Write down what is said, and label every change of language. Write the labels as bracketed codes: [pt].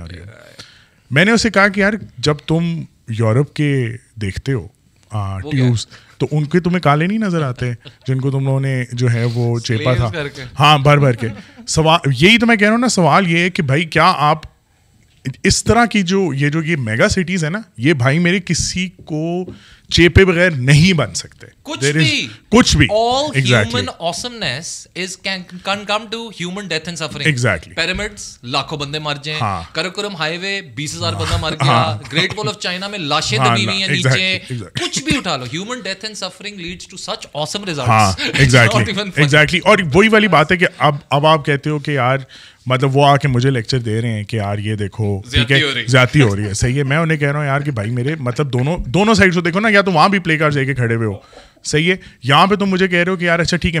[ur] اور میں نے اسے کہا کہ یار جب تم یورپ کے دیکھتے ہو ٹیوبس تو ان کے تمہیں کالے نہیں نظر آتے جن کو تم لوگوں نے جو ہے وہ چیپا تھا, ہاں بھر بھر کے. سوال یہی تو میں کہہ رہا ہوں نا, سوال یہ ہے کہ بھائی کیا آپ اس طرح کی جو یہ جو یہ میگا سٹیز ہے نا, یہ بھائی میرے کسی کو چیپے بغیر نہیں بن سکتے کچھ بھی. [en] All human awesomeness is can come to human death and suffering. Exactly. [ur] Pyramids, لاکھوں بندے مر جائیں, کرکرم ہائی وے 20,000 بندہ مر گیا, گریٹ وال آف چائنا میں لاشیں دبی ہوئی ہیں نیچے, کچھ بھی اٹھا لو, human death and suffering leads to such awesome results. [en] Exactly. [ur] اور وہی والی بات ہے کہ اب آپ کہتے ہو کہ یار مطلب وہ آ کے مجھے لیکچر دے رہے ہیں کہ یار یہ دیکھو زیادتی ہو رہی ہے, صحیح ہے. میں انہیں کہہ رہا ہوں یار کہ بھائی میرے مطلب دونوں سائڈ سے دیکھو نا, یا تو وہاں بھی پلے کارڈ لے کے کھڑے ہوئے ہو, صحیح ہے, یہاں پہ تم مجھے کہہ رہے ہو کہ یار اچھا ٹھیک ہے.